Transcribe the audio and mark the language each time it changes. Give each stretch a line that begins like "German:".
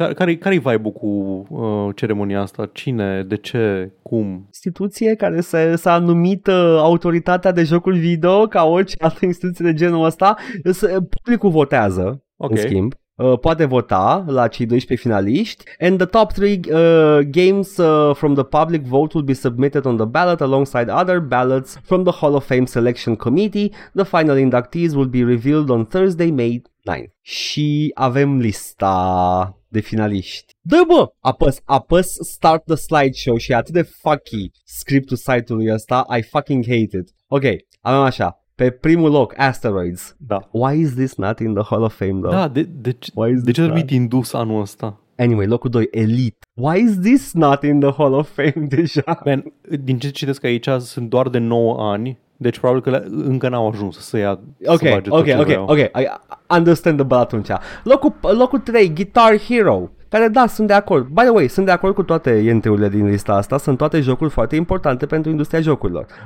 Romanian: Care-i vibe-ul cu ceremonia asta? Cine? De ce? Cum? Instituție care s-a numit autoritatea de jocuri video, ca orice altă instituție de genul ăsta. Publicul votează, okay. În schimb. Poate vota la cei 12 finaliști.
English: And the top 3 games from the public vote will be submitted on the ballot alongside other ballots from the Hall of Fame Selection Committee. The final inductees will be revealed on Thursday, May 9th.
Romanian: Și avem lista de finaliști. Dă bă! Apăs
English: start the slideshow
Romanian: și e atât de fucky scriptul site-ului ăsta.
English: I fucking hate it.
Romanian: Ok, avem așa. Pe primul loc, Asteroids. Da.
English: Why is this not in the Hall of Fame, though?
Romanian: Da, de ce trebuie indus anul ăsta? Anyway, locul 2, Elite.
English: Why is this not in the Hall of Fame
Romanian: deja? Man, din ce citesc aici, sunt doar de 9 ani, deci probabil că încă n-au ajuns să ia... Ok, să
English: okay, okay, okay, ok, I understand the ball
Romanian: atunci. Locul 3, Guitar Hero. Care, da, sunt de acord.
English: By the way,
Romanian: sunt de acord cu toate entry-urile din lista asta. Sunt toate jocuri foarte importante pentru industria jocurilor.